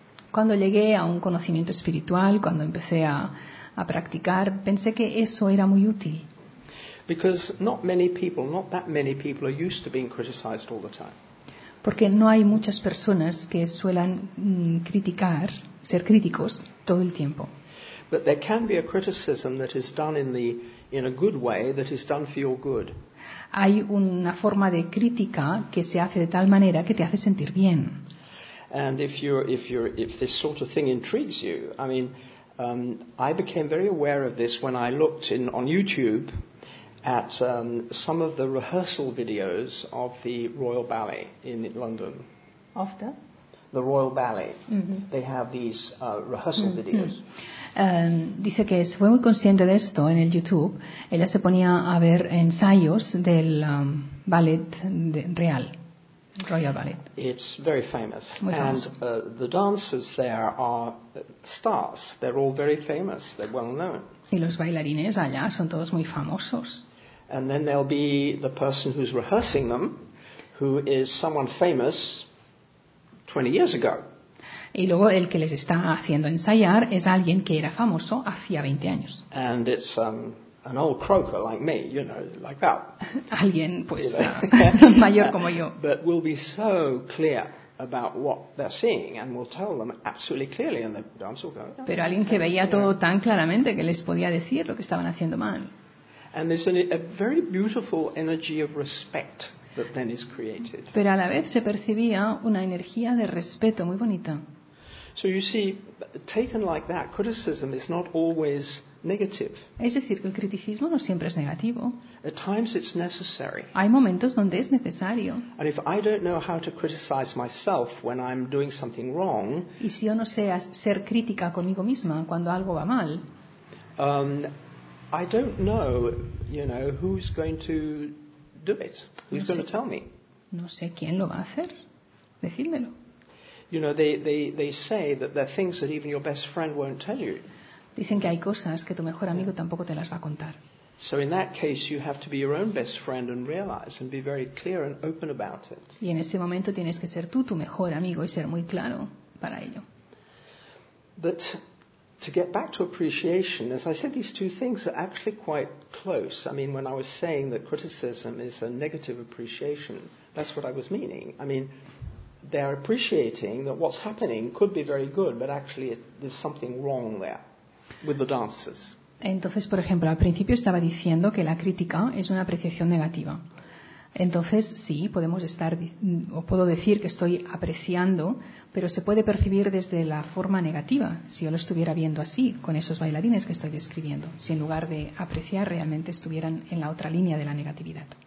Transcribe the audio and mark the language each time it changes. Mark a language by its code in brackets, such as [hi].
[es] Cuando llegué a un conocimiento espiritual, cuando empecé a practicar, pensé que eso era muy útil. [en] Because not many people, not that many people, are used to being criticized all the time. [es] Porque no hay muchas personas que suelan criticar, ser críticos, todo el tiempo. [en] But there can be a criticism that is done in a good way, that is done for your good. [es] Hay una forma de crítica que se hace de tal manera que te hace sentir bien. [en] And if this sort of thing intrigues you, I mean, I became very aware of this when I looked on YouTube at some of the rehearsal videos of the Royal Ballet in London. Of the? The Royal Ballet. Mm-hmm. They have these rehearsal mm-hmm. videos. [es] Dice que fue muy consciente de esto en el YouTube. Ella se ponía a ver ensayos del ballet real, Royal Ballet. [en] It's very famous. [es] Muy [en] and [es] famoso. [en] The dancers there are stars. They're all very famous. They're well known. [es] Y los bailarines allá son todos muy famosos. [en] And then there'll be the person who's rehearsing them, who is someone famous 20 years ago. [es] Y luego el que les está haciendo ensayar es alguien que era famoso hacía 20 años. [en] And it's an old croaker like me, you know, like that. [es] Alguien, pues, mayor como yo. [en] But we'll be so clear about what they're seeing, and we'll tell them absolutely clearly, and the dancer will go. Yeah, [es] pero alguien que veía todo tan claramente que les podía decir lo que estaban haciendo mal. [en] And there's a very beautiful energy of respect that then is created. [es] Pero a la vez se percibía una energía de respeto muy bonita. [en] So you see, taken like that, criticism is not always negative. [es] Es decir, que el criticismo no siempre es negativo. [en] At times it's necessary. [es] Hay momentos donde es necesario. [en] And if I don't know how to criticize myself when I'm doing something wrong, [es] y si yo no sé ser crítica conmigo misma cuando algo va mal, [en] I don't know, you know, who's going to do it. Who's going to tell me? [es] No sé quién lo va a hacer. Decídmelo. [en] You know, they say that there are things that even your best friend won't tell you. [es] Dicen que hay cosas que tu mejor amigo tampoco te las va a contar. [en] So in that case, you have to be your own best friend and realize and be very clear and open about it. [es] Y en ese momento tienes que ser tú tu mejor amigo y ser muy claro para ello. [en] But to get back to appreciation, as I said, these two things are actually quite close. I mean, when I was saying that criticism is a negative appreciation, that's what I was meaning. I mean, they are appreciating that what's happening could be very good, but actually there's something wrong there with the dancers. [es] Entonces, por ejemplo, al principio estaba diciendo que la crítica es una apreciación negativa. Entonces, sí, podemos estar o puedo decir que estoy apreciando, pero se puede percibir desde la forma negativa, si yo lo estuviera viendo así, con esos bailarines que estoy describiendo, si en lugar de apreciar realmente estuvieran en la otra línea de la negatividad.